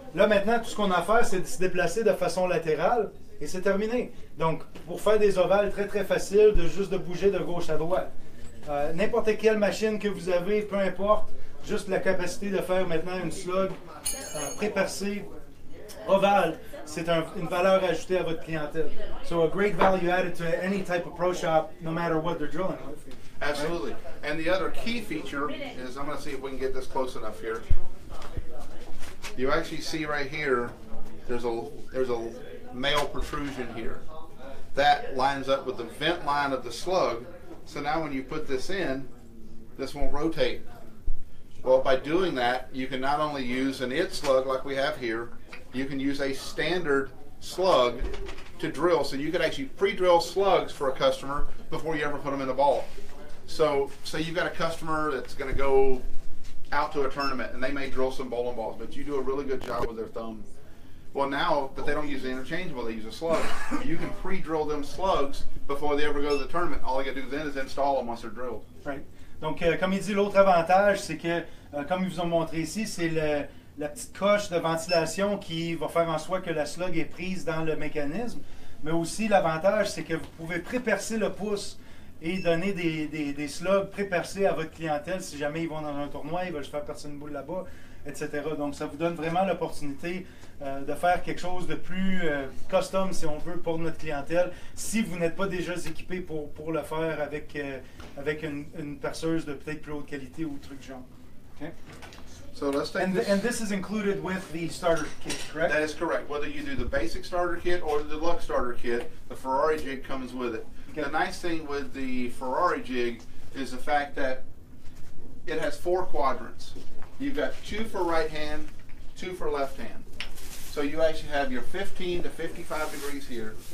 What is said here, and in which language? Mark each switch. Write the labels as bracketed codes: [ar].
[fr] Là, maintenant, tout ce qu'on a à faire, c'est de se déplacer de façon latérale, et c'est terminé. Donc, pour faire des ovales très, très faciles, de bouger de gauche à droite. N'importe quelle machine que vous avez, peu importe, juste la capacité de faire maintenant une slug pré-percée ovale, c'est une valeur ajoutée à votre clientèle. [en] So a great value added to any type of pro shop, no matter what they're drilling with. Absolutely. And the other key feature is, I'm going to see if we can get this close enough here. You actually see right here, there's a male protrusion here. That lines up with the vent line of the slug. So now when you put this in, this won't rotate. Well, by doing that, you can not only use an IT slug like we have here, you can use a standard slug to drill. So you can actually pre-drill slugs for a customer before you ever put them in the ball. So say you've got a customer that's going to go out to a tournament, and they may drill some bowling balls, but you do a really good job with their thumb. Well, now, but they don't use the interchangeable, they use a slug. You can pre-drill them slugs before they ever go to the tournament. All they got to do then is install them once they're drilled. Right. [fr] Donc, comme il dit, l'autre avantage, c'est que, comme ils vous ont montré ici, c'est la petite coche de ventilation qui va faire en sorte que la slug est prise dans le mécanisme. Mais aussi, l'avantage, c'est que vous pouvez pré-percer le pouce et donner des slugs pré-percés à votre clientèle si jamais ils vont dans un tournoi, ils veulent se faire percer une boule là-bas, etc. Donc, ça vous donne vraiment l'opportunité de faire quelque chose de plus custom, si on veut, pour notre clientèle, si vous n'êtes pas déjà équipé pour le faire avec une perceuse de peut-être plus haute qualité ou truc genre. [en] Okay? So let's take And this is included with the starter kit, correct? That is correct. Whether you do the basic starter kit or the deluxe starter kit, the Ferrari jig comes with it. Okay. The nice thing with the Ferrari jig is the fact that it has four quadrants. You've got two for right hand, two for left hand. So you actually have your 15 to 55 degrees here.